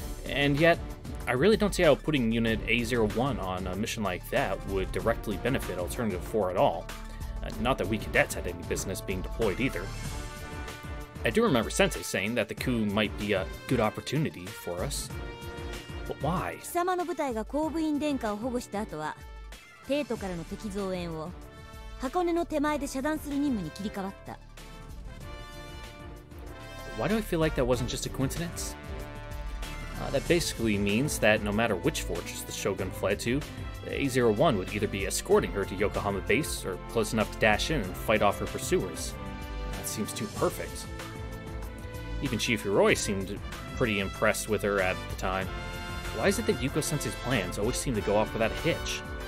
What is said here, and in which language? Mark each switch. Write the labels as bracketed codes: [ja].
[en] And yet, I really don't see how putting unit A01 on a mission like that would directly benefit Alternative 4 at all. Not that we cadets had any business being deployed either. I do remember Sensei saying that the coup might be a good opportunity for us. But why? [ja] 貴様の部隊が公務員殿下を保護した後は、帝都からの敵増援を 箱根の手前で遮断する任務に切り替わった。 [en] Why do I feel like that wasn't just a coincidence? That basically means that no matter which fortress the Shogun fled to, A01 would either be escorting her to Yokohama base or close enough to dash in and fight off her pursuers. That seems too perfect. Even Chief Hiroi seemed pretty impressed with her at the time. Why is it that Yuko-sensei's plans always seem to go off without a hitch?